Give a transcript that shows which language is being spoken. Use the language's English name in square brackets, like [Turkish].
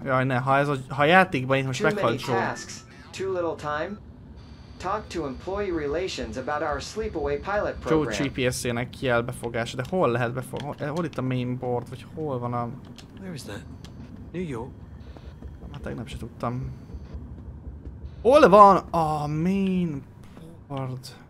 [Hungarian] Jaj, ne, ha a játékban itt most meghalt Joe. [English] Tasks. Too little time. Talk to employee relations about our sleepaway pilot program. [Hungarian] Joe GPS-ének kijel befogása, de hol lehet befogni? Hol itt a main board, vagy hol van a... [English] Where is that? New York? [Hungarian] Hát tegnap se tudtam. Hol van a main board?